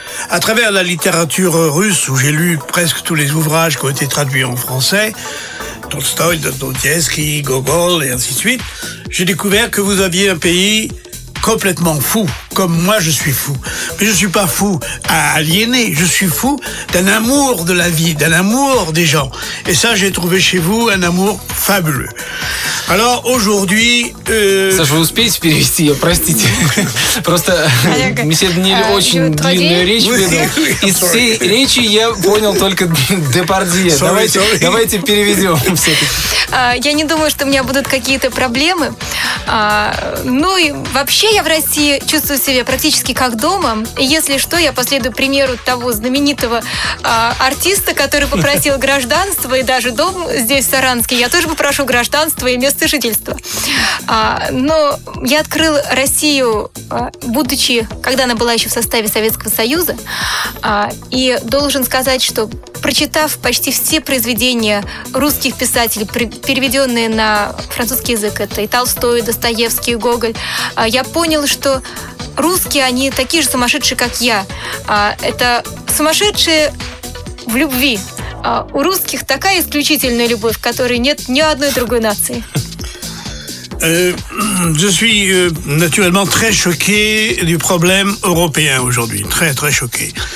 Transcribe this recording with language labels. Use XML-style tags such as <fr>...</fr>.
<fr>À travers la littérature russe, où j'ai lu presque tous les ouvrages qui ont été traduits en français, Tolstoï, Dostoïevski, Gogol et ainsi de suite, j'ai découvert que vous aviez un pays complètement fou, comme moi je suis fou. Mais je ne suis pas fou à aliéner, je suis fou d'un amour de la vie, d'un amour des gens. Et ça, j'ai trouvé chez vous un amour fabuleux. Alors aujourd'hui... Ça, je vous</fr> <ru>успеете перевести, простите. Просто, месье Даниэль, очень длинную речь придумал. Из всей речи я понял только Депардье. Давайте переведем все-таки. Я не думаю, что у меня будут какие-то проблемы. Ну и вообще я в России чувствую себя практически как дома. И если что, я последую примеру того знаменитого артиста, который попросил гражданство и даже дом здесь, в Саранске. Я тоже попрошу гражданство и место жительства. Но я открыл Россию, будучи, когда она была еще в составе Советского Союза. И должен сказать, что прочитав почти все произведения русских писателей, переведенные на французский язык, это и Толстой, и Достоевский, и Гоголь, я понял, что русские, они такие же сумасшедшие, как я. Это сумасшедшие в любви. У русских такая исключительная любовь, которой нет ни одной другой нации.</ru> <fr>Je suis naturellement très choqué du problème européen aujourd'hui. Très, très choqué.</fr>